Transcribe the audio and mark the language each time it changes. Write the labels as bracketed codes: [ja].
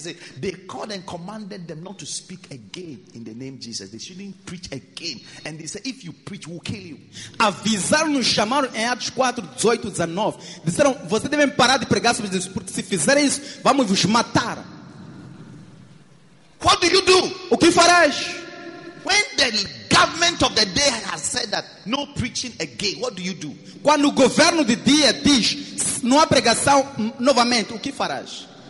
[en] Say, they called and commanded them not to speak again in the name of Jesus. They shouldn't preach again. And they said, if you preach, we'll kill you. [pt] Avisaram, nos chamaram em Atos 4, 18, 19. Disseram, vocês devem parar de pregar sobre Jesus, porque se fizerem isso, vamos vos matar. [en] What do you do? [pt] O que farás? [en] When the government of the day has said that no preaching again, what do you do? [pt] Quando o governo de dia diz não há pregação novamente, o que farás?